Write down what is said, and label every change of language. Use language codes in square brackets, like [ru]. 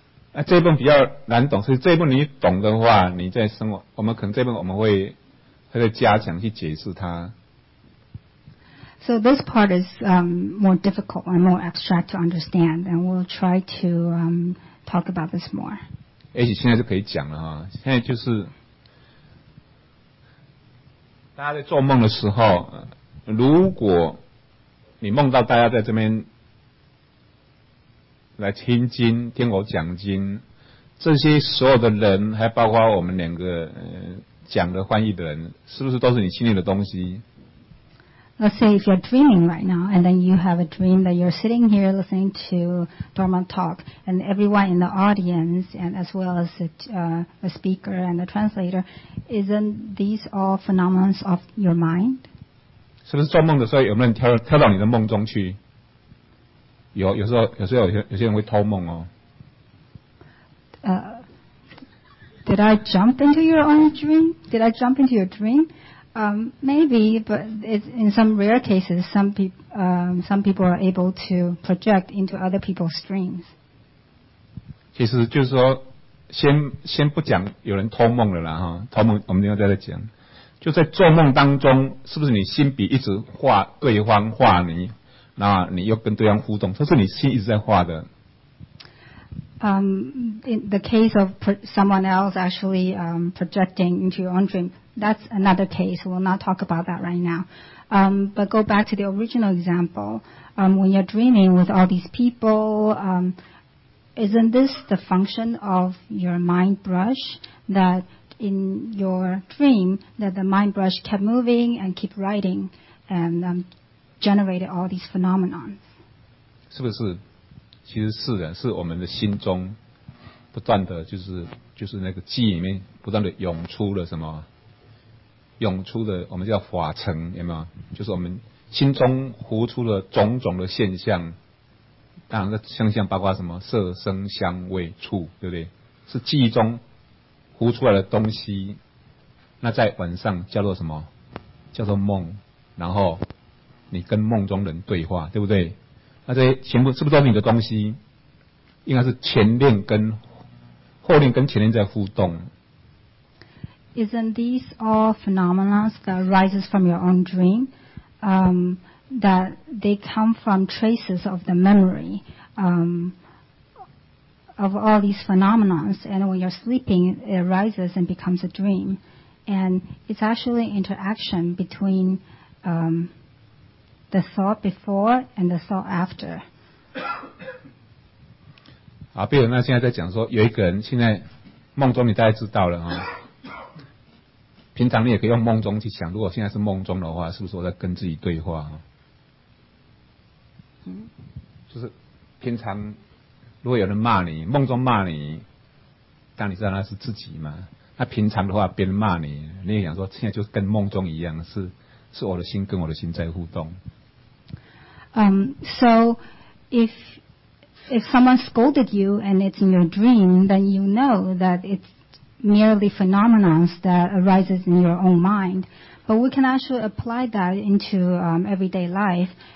[zh] 那这一本比较难懂，所以这一本你懂的话，你在生活，我们可能这一本我们会加强去解释它。 [en] So this part is more difficult and more abstract to understand, and we'll try to talk about this more. [zh] 也许现在就可以讲了哈，现在就是大家在做梦的时候，如果你梦到大家在这边来听经，听我讲经，这些所有的人，还包括我们两个讲的翻译的人，是不是都是你心里的东西？ [en] Let's say if you're dreaming right now, and then you have a dream that you're sitting here listening to Dharma talk, and everyone in the audience, and as well as the speaker and the translator, isn't these all phenomena of your mind? [zh] 是不是做梦的时候有没有跳到你的梦中去？有时候有些人会偷梦哦。 [en] Did I jump into your own dream? Did I jump into your dream? Maybe, but in some rare cases, some people are able to project into other people's dreams. [zh] 其实就是说，先不讲有人偷梦了啦哈，偷梦我们另外再讲。就在做梦当中，是不是你心比一直画对方画你？那你又跟对方互动，这是你心一直在画的。 [en] In the case of someone else actually projecting into your own dream, that's another case. We'll not talk about that right now. But go back to the original example. When you're dreaming with all these people, isn't this the function of your mind brush that in your dream that the mind brush kept moving and keep writing and generated all these phenomena? [zh] 是不是？其实是的，是我们的心中不断的就是那个记忆里面不断的涌出了什么，涌出的我们叫法尘，有没有？就是我们心中浮出了种种的现象，当然这现象包括什么色声香味触，对不对？是记忆中浮出来的东西，那在晚上叫做什么？叫做梦，然后你跟梦中人对话，对不对？那这些全部是不是都是你的东西？应该是前念跟后念跟前念在互动。 [en] Isn't these all phenomena that arises from your own dream? That they come from traces of the memory of all these phenomena. And when you're sleeping, it arises and becomes a dream. And it's actually interaction between the thought before and the thought after. [zh] 好，比如那现在在讲说，有一个人现在梦中，你大概知道了哈、哦。平常你也可以用梦中去想，如果现在是梦中的话，是不是我在跟自己对话、哦？就是平常如果有人骂你，梦中骂你，但你知道那是自己嘛？那平常的话，别人骂你，你也想说，现在就跟梦中一样，是我的心跟我的心在互动。 [en] So if someone scolded you and it's in your dream, then you know that it's merely phenomena that arises in your own mind. But we can actually apply that into everyday life.